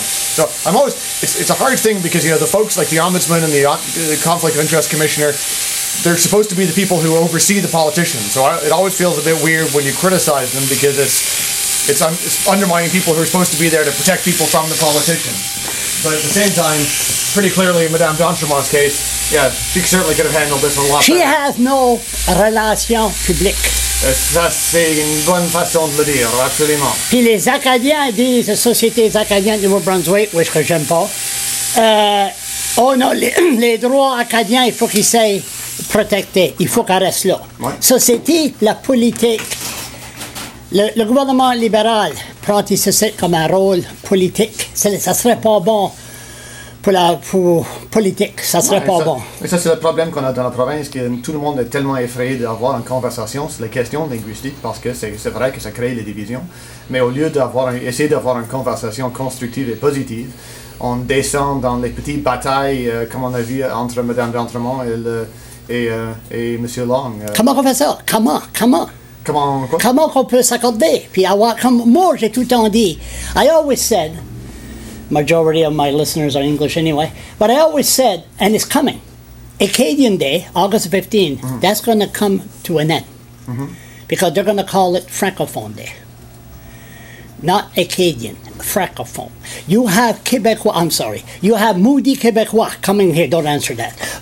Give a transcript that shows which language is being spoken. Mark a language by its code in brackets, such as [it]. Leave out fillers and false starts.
[en] So I'm always, it's a hard thing because, the folks like the Ombudsman and the Conflict of Interest Commissioner, they're supposed to be the people who oversee the politicians. So it always feels a bit weird when you criticize them because it's undermining people who are supposed to be there to protect people from the politicians. But at the same time, pretty clearly in Madame d'Entremont's case, she certainly could have handled this a lot better. She has no [fr] relation publique. Ça, c'est une bonne façon de le dire, absolument. Puis les Acadiens disent, les sociétés acadiennes du Nouveau-Brunswick, which que j'aime pas, les droits acadiens, il faut qu'ils soient protectés. Il faut qu'elles restent là. Ouais. Société, la politique. Le gouvernement libéral prend ici ça comme un rôle politique. Ça serait pas bon pour politique. Ça serait pas bon. Et ça, c'est le problème qu'on a dans la province, que tout le monde est tellement effrayé d'avoir une conversation sur les questions linguistiques, parce que c'est vrai que ça crée des divisions. Mais au lieu d'essayer d'avoir une conversation constructive et positive, on descend dans les petites batailles, comme on a vu entre Madame d'Entremont et Monsieur Long. Comment on fait ça? Comment quoi? Comment qu'on peut s'accorder? Puis avoir comme moi, j'ai tout le temps dit. [en] I always said, majority of my listeners are English anyway, but I always said, and it's coming, Acadian Day, August 15th, mm-hmm. That's going to come to an end. Mm-hmm. Because they're going to call it Francophone Day. Not Acadian, Francophone. You have Quebecois, I'm sorry, you have Moody Quebecois coming here, don't answer that.